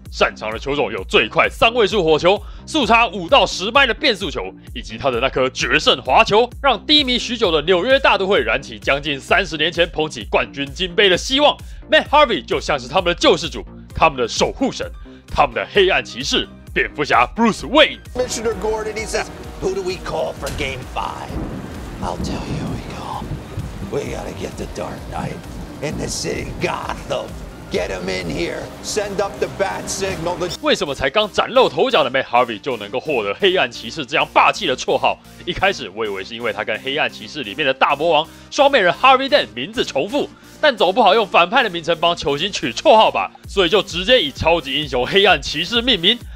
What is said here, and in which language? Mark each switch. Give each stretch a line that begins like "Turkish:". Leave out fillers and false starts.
Chinese: 擅长的球种有最快三位数火球、速差5到10迈的变速球，以及他的那颗决胜滑球，让低迷许久的纽约大都会燃起将近30年前捧起冠军金杯的希望。 Matt Harvey 就像是他们的救世主、他们的守护神、他们的黑暗骑士——蝙蝠侠 Bruce Wayne。
English: Commissioner Gordon, he says, "Who do we call for Game Five? I'll tell you who we call. We gotta get the Dark Knight in the city, Gotham." Get him in here. Send up the bat signal.
Chinese: 为什么才刚崭露头角的 Matt Harvey 就能够获得黑暗骑士这样霸气的绰号？一开始我以为是因为他跟黑暗骑士里面的大魔王双面人 Harvey Dent 名字重复，但总不好用反派的名称帮球星取绰号吧，所以就直接以超级英雄黑暗骑士命名。